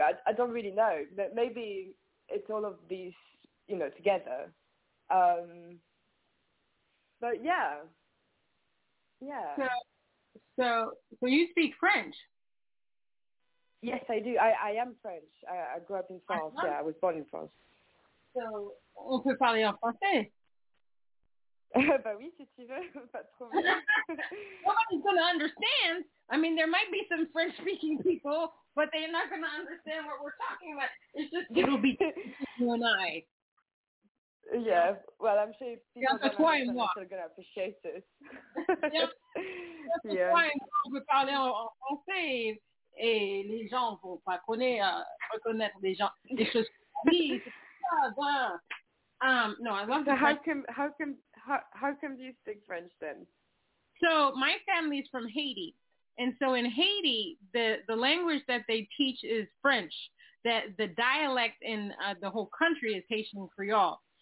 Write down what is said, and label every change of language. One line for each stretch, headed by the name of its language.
English: I don't really know. But maybe it's all of these, you know, together. So you speak French? Yes, I do. I am French. I grew up in France. Yeah, I was born in France.
French: So, on peut parler en français. Bah oui, si tu veux, pas trop.
English: Nobody's going to understand. I mean, there might be some French-speaking people, but they're not going to understand what we're talking about. It's just, it'll be you and I. Yeah, well, I'm sure if people are going to appreciate it. Yeah, that's why
French: on peut parler en français. Et les gens ne vont pas reconnaître les gens, les choses qu'on dit.
English: How come do you speak French then? So my family is from Haiti, and so in Haiti the language that they teach is French. The dialect in the whole country is Haitian Creole.